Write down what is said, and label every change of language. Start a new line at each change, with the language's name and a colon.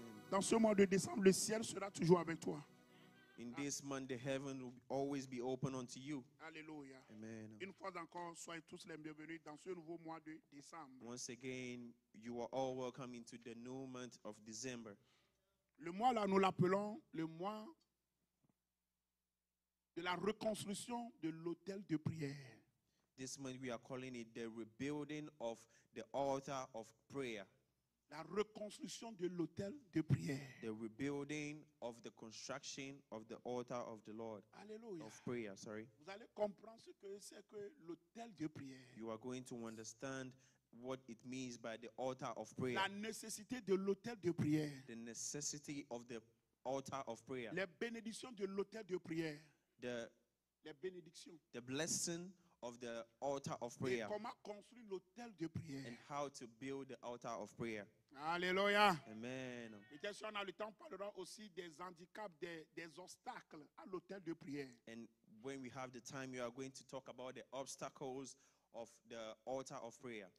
French: Dans ce mois de décembre, le ciel sera toujours avec toi.
English: In this month, the heaven will always be open unto you. Alléluia. Amen.
French: Une fois encore, soyez tous les bienvenus dans ce nouveau mois de décembre.
English: Once again, you are all welcome into the new month of December.
French: Le mois là, nous l'appelons le mois de la reconstruction de l'autel de prière.
English: This month we are calling it the rebuilding of the altar of prayer.
French: La reconstruction de l'autel de prière.
English: The rebuilding of the construction of the altar of the Lord. Alléluia. Of prayer, sorry.
French: Vous allez comprendre ce que c'est que l'autel de prière.
English: You are going to understand what it means by the altar of prayer.
French: La nécessité de l'autel de prière.
English: The necessity of the altar of prayer.
French: Les bénédictions de l'autel de prière.
English: The blessing of the altar of prayer.
French: Et comment construire l'autel de prière.
English: And how to build the altar of prayer. Alléluia. Amen.
French: Et si on a le temps, on parlera aussi des handicaps, des obstacles à l'autel de prière.
English: And when we have the time, you are going to talk about the obstacles of the altar of prayer.